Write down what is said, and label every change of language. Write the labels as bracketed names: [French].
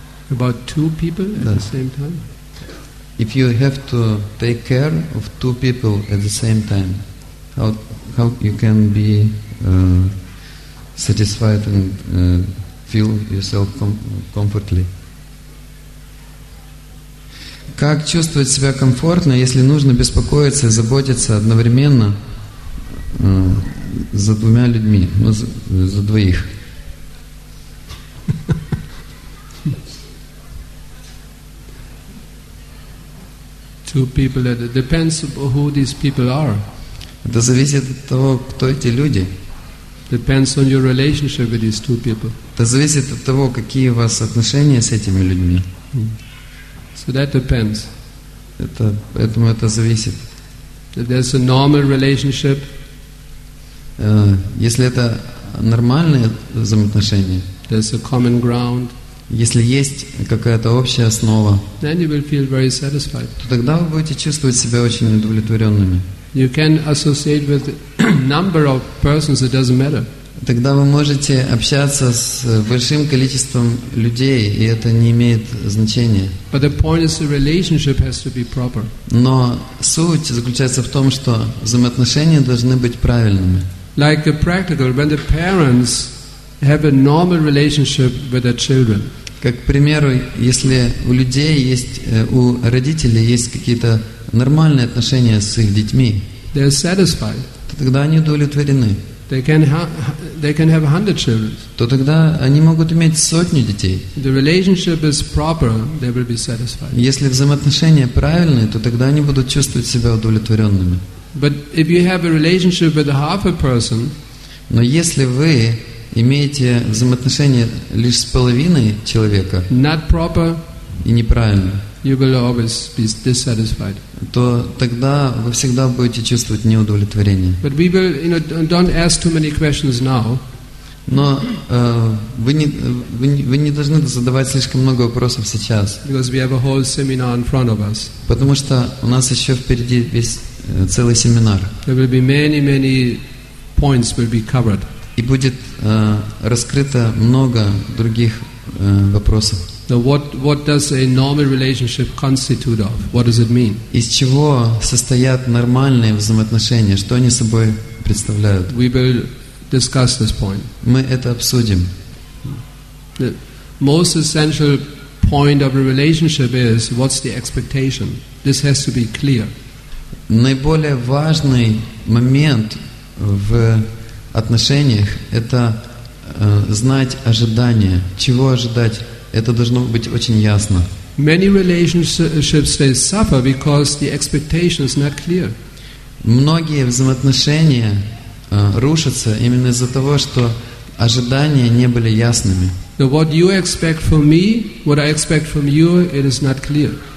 [English] About two people at the same time? If you have to take care of two people at the same time, how you can be satisfied and feel yourself comfortably? [Russian] Как чувствовать себя комфортно, если нужно беспокоиться и заботиться одновременно за двумя людьми, ну, за двоих? [English] Two people, it depends who these people are. [Russian] Это зависит от того, кто эти люди. [English] Depends on your relationship with these two people. [Russian] Это зависит от того, какие у вас отношения с этими людьми. [English] So that depends. [Russian] Это, поэтому это зависит. [English] If there's a normal relationship, [Russian] если это нормальные взаимоотношения, [English] there's a common ground, [Russian] если есть какая-то общая основа, [English] then you will feel very satisfied. [Russian] То тогда вы будете чувствовать себя очень удовлетворенными. [English] You can associate with a number of persons, it doesn't matter. [Russian] Тогда вы можете общаться с большим количеством людей, и это не имеет значения. [English] But the point is, the relationship has to be proper. [Russian] Но суть заключается в том, что взаимоотношения должны быть правильными. [English] Like a practical, when the parents have a normal relationship with their children. [Russian] Как, к примеру, если у людей есть, у родителей есть какие-то нормальные отношения с их детьми, [English] they are satisfied. [Russian] То тогда они удовлетворены. [English] They can have 100 children. [Russian] То тогда они могут иметь сотню детей. [English] The relationship is proper, they will be satisfied. [Russian] Если взаимоотношения правильные, то тогда они будут чувствовать себя удовлетворенными. [English] But if you have a relationship with half a person, [Russian] но если вы имеете взаимоотношения лишь с половиной человека, [English] not proper, [Russian] и неправильно, [English] you will always be dissatisfied. [Russian] То тогда вы всегда будете чувствовать неудовлетворение. [English] But we will, you know, don't ask too many questions now. [Russian] Но вы не должны задавать слишком много вопросов сейчас. [English] Because we have a whole seminar in front of us. [Russian] Потому что у нас еще впереди весь целый семинар. [English] There will be many, many points will be covered. [Russian] И будет раскрыто много других вопросов. [English] So what does a normal relationship constitute of? What does it mean? [Russian] Из чего состоят нормальные взаимоотношения? Что они собой представляют? [English] We will discuss this point. [Russian] Мы это обсудим. [English] The most essential point of a relationship is what's the expectation. This has to be clear. [Russian] Наиболее важный момент в отношениях – это знать ожидания. Чего ожидать? Это должно быть очень ясно. [English] Many relationships they suffer because the expectation is not clear. [Russian] Многие взаимоотношения рушатся именно из-за того, что ожидания не были ясными. [English] So what you expect from me, what I expect from you, it is not clear.